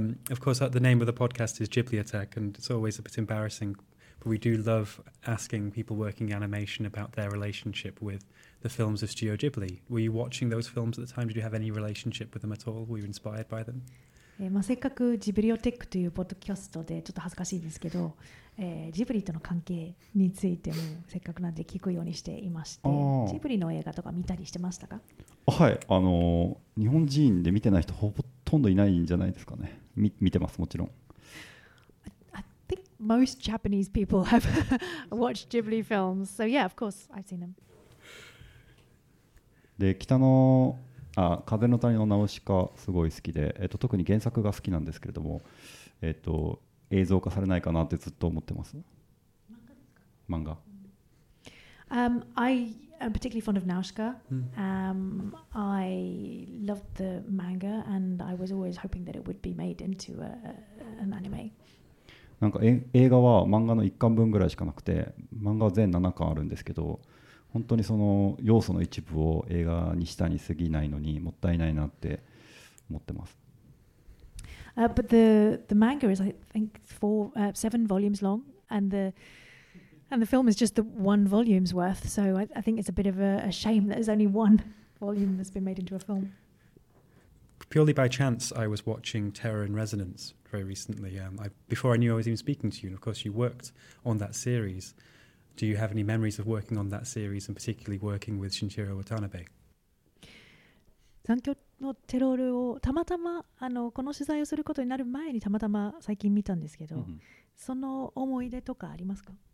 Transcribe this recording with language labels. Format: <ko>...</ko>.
<en>Of course, the name of the podcast is Ghibli Attack, and it's always a bit embarrassing, but we do love asking people working animation about their relationship with the films of Studio Ghibli. Were you watching those films at the time? Did you have any relationship with them at all? Were you inspired by them?</en> <ja>せっかくジブリオテックというポッドキャストでちょっと恥ずかしいんですけど、ジブリとの関係についてもせっかくなんで聞くようにしていまして、ジブリの映画とか見たりしてましたか？はい、日本人で見てない人ほとんどいないんじゃないですかね。見てます、もちろん。</ja> <en>I think most Japanese people have watched Ghibli films, so yeah, of course, I've seen them.</en> <ja>で、風の谷のナウシカすごい好きで、特に原作が好きなんですけれども、映像化されないかなってずっと思ってます。漫画</ja> <en>I am particularly fond of Nausicaa. I loved the manga and I was always hoping that it would be made into an anime.</en> <ja>なんか映画は漫画の1巻分ぐらいしかなくて、漫画は全7巻あるんですけど、本当にその要素の一部を映画にしたに過ぎないのにもったいないなって思ってます。</ja> <en>But the manga is, I think, seven volumes long, and the film is just the one volume's worth. So I think it's a bit of a shame that there's only one volume that's been made into a film. Purely by chance, I was watching Terror in Resonance very recently. Before I knew I was even speaking to you, and of course you worked on that series. Do you have any memories of working on that series and particularly working with Shinichiro Watanabe?</en> <ja>残響のテロールをたまたまこの取材をすることになる前にたまたま最近見たんですけど、その思い出とかありますか？</ja>